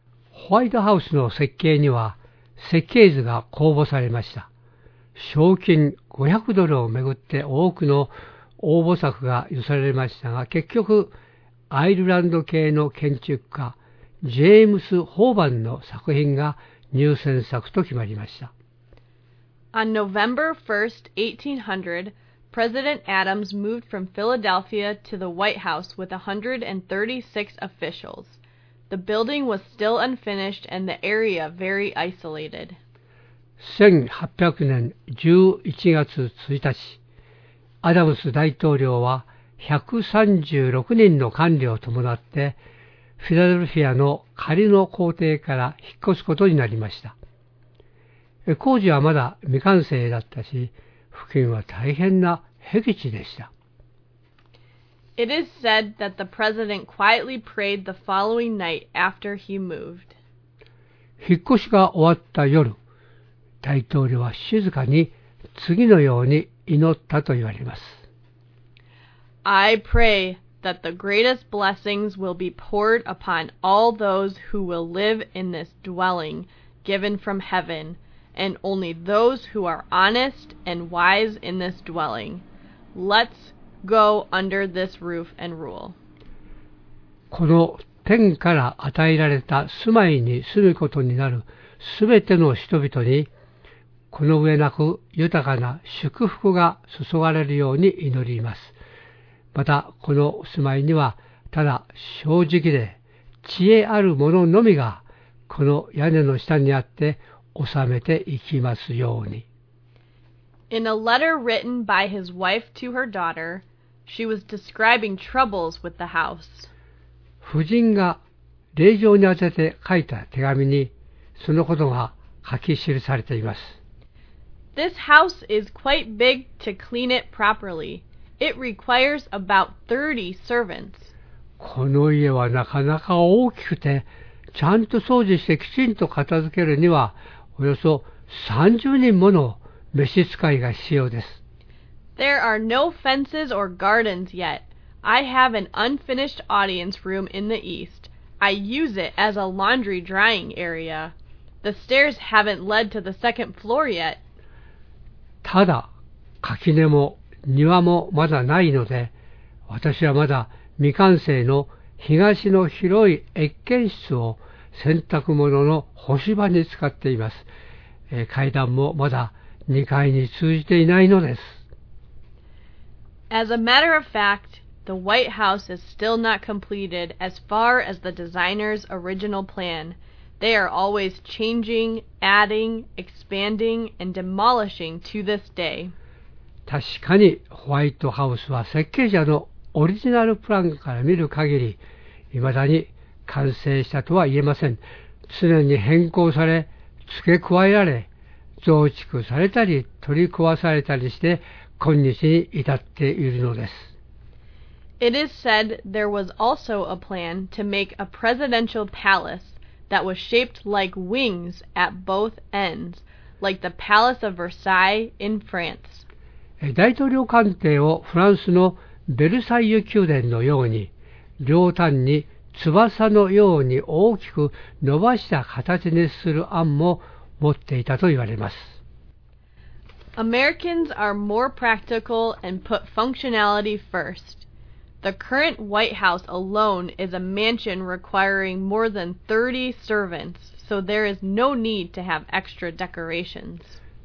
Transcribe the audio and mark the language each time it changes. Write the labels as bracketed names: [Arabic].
[Japanese] ホワイトハウスの設計には設計図が公募されました。賞金500ドルをめぐって多くの応募作が寄せられましたが、結局アイルランド系の建築家ジェームス・ホーバンの作品が入選作と決まりました。 [English] On November 1st, 1800, President Adams moved from Philadelphia to the White House with 136 officials. The building was still unfinished and the area very isolated. [Japanese] 1800年11月1日、アダムス大統領は136人の官僚を伴ってフィラデルフィアの仮の皇帝から引っ越すことになりました。工事はまだ未完成だったし、付近は大変な僻地でした。 [English] It is said that the president quietly prayed the following night after he moved. [Japanese] 引っ越しが終わった夜、大統領は静かに次のように祈ったと言われます。 [English] I pray. That the greatest blessings will be poured upon all those who will live in this dwelling given from heaven, and only those who are honest and wise in this dwelling. Let's go under this roof and rule. [Japanese] この天から与えられた住まいに住むことになるすべての人々に、この上なく豊かな祝福が注がれるように祈ります。またこの住まいにはただ正直で知恵ある者のみがこの屋根の下にあって収めていきますように。 [English] In a letter written by his wife to her daughter, she was describing troubles with the house. [Japanese] 夫人が令嬢に宛てて書いた手紙にそのことが書き記されています。 [English] This house is quite big to clean it properly. It requires about 30 servants. [Japanese] この家はなかなか大きくて、ちゃんと掃除してきちんと片付けるには、およそ30人もの召使いが必要です。 [English] There are no fences or gardens yet. I have an unfinished audience room in the east. I use it as a laundry drying area. The stairs haven't led to the second floor yet. [Japanese] ただ、垣根も庭もまだないので、私はまだ未完成の東の広い謁見室を洗濯物の干し場に使っています。階段もまだ2階に通じていないのです。 [English] As a matter of fact, the White House is still not completed as far as the designer's original plan. They are always changing, adding, expanding, and demolishing to this day. [Japanese] 確かにホワイトハウスは設計者のオリジナルプランから見る限り未だに完成したとは言えません。常に変更され、付け加えられ、増築されたり取り壊されたりして、今日に至っているのです。 [English] It is said there was also a plan to make a presidential palace that was shaped like wings at both ends, like the Palace of Versailles in France. [Japanese] 大統領官邸をフランスのベルサイユ宮殿のように、両端に翼のように大きく伸ばした形にする案も持っていたと言われます。 [English] Americans are more practical and put functionality first. The current White House alone is a mansion requiring more than 30 servants, so there is no need to have extra decorations.